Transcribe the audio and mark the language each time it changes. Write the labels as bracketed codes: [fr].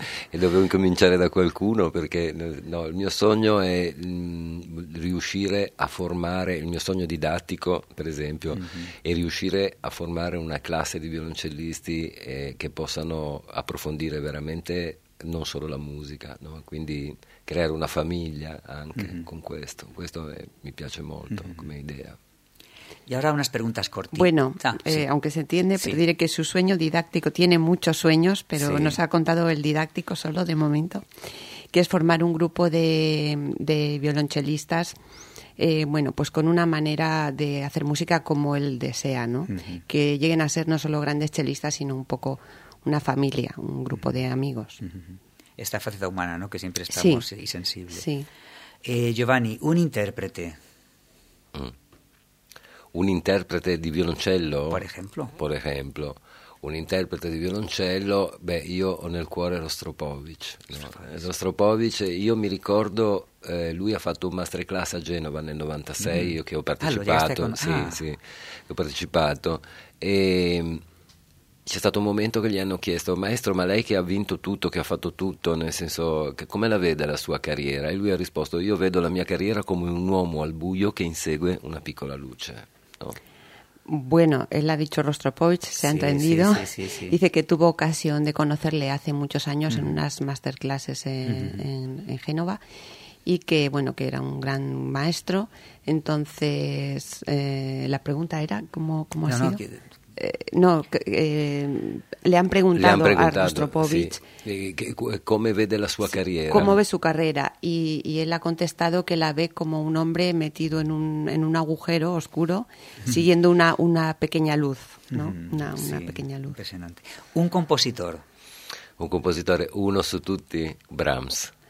[it] E dovevo incominciare da qualcuno, perché no, il mio sogno è riuscire a formare il mio sogno didattico, per esempio, è riuscire a formare una classe di violoncellisti che possano approfondire veramente non solo la musica, no? Quindi creare una famiglia anche con questo mi piace molto come idea. [es] Y ahora unas preguntas cortitas. Bueno, aunque se entiende, pero diré que su sueño didáctico tiene muchos sueños, pero nos ha contado el didáctico solo de momento, que es formar un grupo de violonchelistas, con una manera de hacer música como él desea, ¿no? Que lleguen a ser no solo grandes chelistas, sino un poco una familia, un grupo de amigos. Esta faceta humana, ¿no? Que siempre estamos y sensible. Sí. Giovanni, un intérprete. [it] Un interprete di violoncello? Per esempio. Un interprete di violoncello, io ho nel cuore Rostropovich. Rostropovich, io mi ricordo, lui ha fatto un masterclass a Genova nel 96, io che ho partecipato. Ho partecipato. E c'è stato un momento che gli hanno chiesto, maestro, ma lei che ha vinto tutto, che ha fatto tutto, nel senso, come la vede la sua carriera? E lui ha risposto, io vedo la mia carriera come un uomo al buio che insegue una piccola luce. [es] Bueno, él ha dicho Rostropovich, se ha entendido. Sí. Dice que tuvo ocasión de conocerle hace muchos años en unas masterclasses en Génova y que, bueno, que era un gran maestro. Entonces, la pregunta era, ¿cómo ha sido? Le han preguntado a Rostropovich cómo ve la su carrera. ¿Cómo ve su carrera? Y él ha contestado que la ve como un hombre metido en un agujero oscuro, siguiendo una pequeña luz, ¿no? Una pequeña luz. Impresionante. Un compositor. Un compositor, [it] uno su tutti, Brahms.